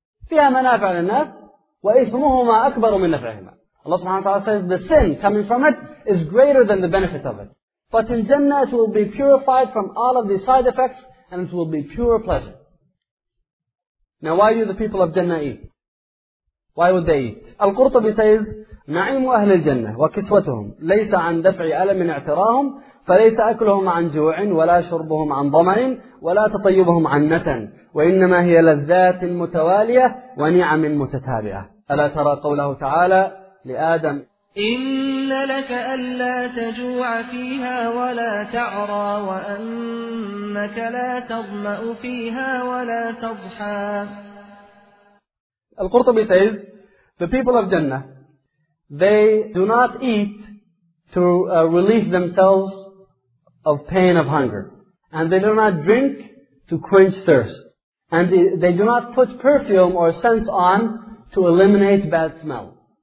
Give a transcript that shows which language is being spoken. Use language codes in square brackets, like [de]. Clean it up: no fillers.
[ar] فِيهَا مَنَافِعَ لِلنَّاسِ وَإِثْمُهُمَا أَكْبَرُ مِنْ نَفْعِهِمَا. [en] Allah subhanahu wa ta'ala says the sin coming from it is greater than the benefit of it. But in Jannah it will be purified from all of the side effects and it will be pure pleasure. Now why do the people of Jannah eat? Why would they eat? Al-Qurtubi says, [ar] نعيم أهل الجنة وكسوتهم ليس عن دفع ألم اعتراهم فليس أكلهم عن جوع ولا شربهم عن ظمأ ولا تطيبهم عن نتن وإنما هي لذات متوالية ونعم متتابعة. ألا ترى قوله تعالى لآدم إن لك ألا تجوع فيها ولا تعرى وأنك لا تظمأ فيها ولا تضحى. [en] Al-Qurtubi says, the people of Jannah, they do not eat to relieve themselves of pain of hunger. And they do not drink to quench thirst. And they do not put perfume or scents on to eliminate bad smell.